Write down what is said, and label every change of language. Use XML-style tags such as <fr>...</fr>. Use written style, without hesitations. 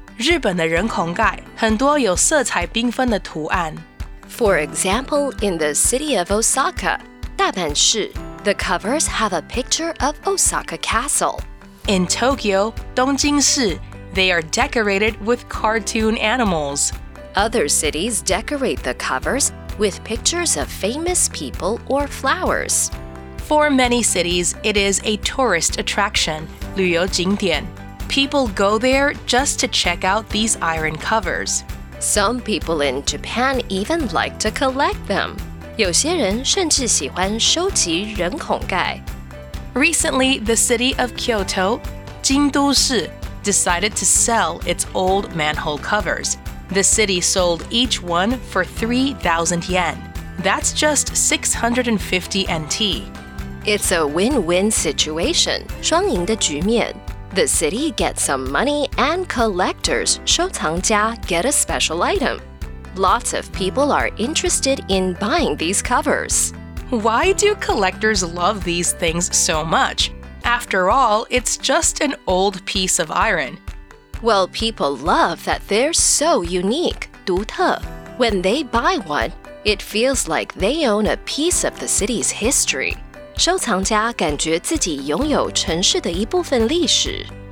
<zh>日本的人孔蓋,很多有色彩繽紛的圖案。</zh> <en>For example, in the city of Osaka, 大阪市, the covers have a picture of Osaka Castle. In Tokyo, 東京市, they are decorated with cartoon animals. Other cities decorate the covers with pictures of famous people or flowers. For many cities, it is a tourist attraction,</en> <zh>旅游景点.</zh> <en>People go there just to check out these iron covers. Some people in Japan even like to collect them.</en> <zh>有些人甚至喜欢收集人孔蓋.</zh> <en>Recently, the city of Kyoto, 京都市, decided to sell its old manhole covers. The city sold each one for 3,000 yen. That's just 650 NT. It's a win-win situation,</en> <zh>双赢的局面.</zh> <en>The city gets some money and collectors,</en> <zh>收藏家</zh> <en>get a special item. Lots of people are interested in buying these covers. Why do collectors love these things so much? After all, it's just an old piece of iron. Well, people love that they're so unique,</en> <zh>独特.</zh> <en>When they buy one, it feels like they own a piece of the city's history.</en> <zh>收藏家感觉自己拥有城市的一部分历史。</zh>